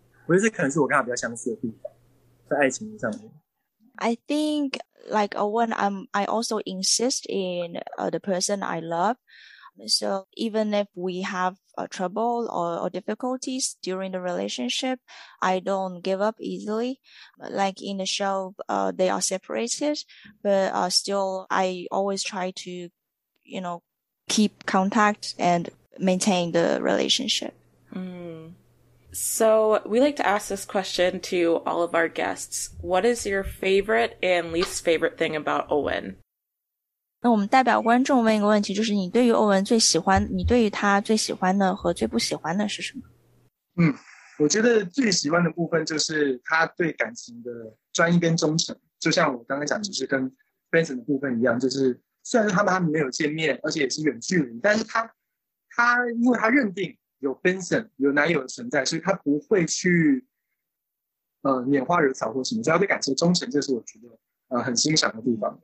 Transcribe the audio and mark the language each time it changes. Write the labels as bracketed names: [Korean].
[Chinese] 我觉得这可能是我跟他比较相似的地方在爱情上面。 [English] I think like Owen, I also insist in the person I love. So even if we have trouble or difficulties during the relationship, I don't give up easily. Like in the show, they are separated, but still I always try to, you know, keep contact and maintain the relationship. Mm. So we like to ask this question to all of our guests. What is your favorite and least favorite thing about Owen? [Chinese] 那我们代表观众问一个问题，就是你对于欧文最喜欢，你对于他最喜欢的和最不喜欢的是什么？我觉得最喜欢的部分就是他对感情的专一跟忠诚，就像我刚才讲，就是跟 Benson 的部分一样，就是虽然他们还没有见面，而且也是远距离，但是他因为他认定有 Benson 有男友的存在，所以他不会去拈花惹草或什么，只要对感情忠诚，这是我觉得很欣赏的地方。